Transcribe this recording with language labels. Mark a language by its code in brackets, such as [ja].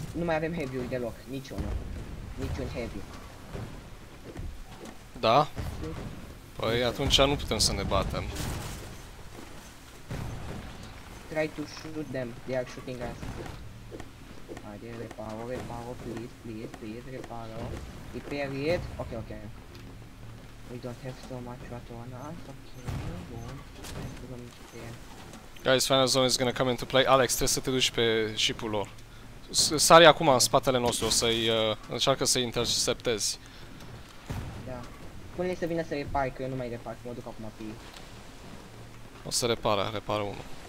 [ro] Nu mai avem heavy-uri deloc, niciunul. Niciun heavy. Da? Păi atunci nu putem să ne batem. [en] Try to shoot them, they are shooting us. Haide, reparo, reparo, please, please, please, reparo. Repair it, ok, ok. We don't have so much right on us, ok. Guys, Final Zone is gonna come into play. [ro] Alex, trebuie să te duci pe ship-ul lor. Sari acum în spatele nostru, o să-i încearcă să-i interceptezi. Da. Pune-i să vină să repare, că eu nu mai repar, mă duc acum pe ei. O să repare, repară unul.